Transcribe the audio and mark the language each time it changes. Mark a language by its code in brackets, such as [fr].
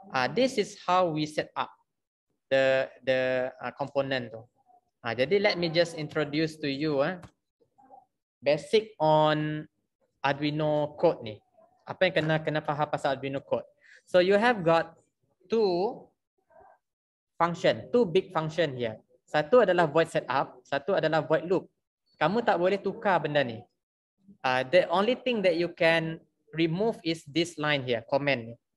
[en] This is how we set up the component tu. Jadi let me just introduce to you basic on Arduino code ni. [ms] Apa yang kena faham pasal Arduino code. [en] So you have got two big function here. [ms] Satu adalah void setup, satu adalah void loop. Kamu tak boleh tukar benda ni. [en] The only thing that you can remove is this line here, comment ni.